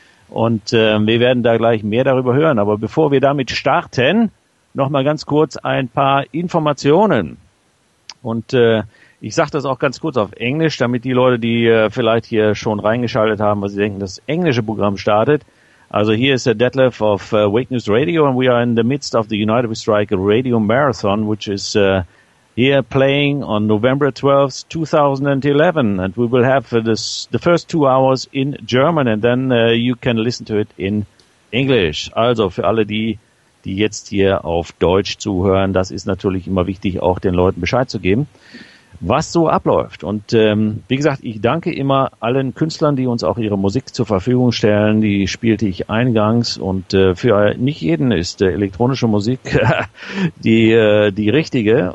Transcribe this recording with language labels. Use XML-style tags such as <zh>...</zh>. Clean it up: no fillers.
<de>Und wir werden da gleich mehr darüber hören. Aber bevor wir damit starten, nochmal ganz kurz ein paar Informationen. Und ich sage das auch ganz kurz auf Englisch, damit die Leute, die vielleicht hier schon reingeschaltet haben, weil sie denken, das englische Programm startet.</de> <en>Also here is a Detlef of Wake News Radio, and we are in the midst of the United We Strike Radio Marathon, which is here playing on November 12th, 2011. And we will have the first 2 hours in German, and then you can listen to it in English.</en> <de>Also für alle die jetzt hier auf Deutsch zuhören, das ist natürlich immer wichtig, auch den Leuten Bescheid zu geben, was so abläuft. Und wie gesagt, ich danke immer allen Künstlern, die uns auch ihre Musik zur Verfügung stellen. Die spielte ich eingangs. Und für nicht jeden ist elektronische Musik die richtige.</de>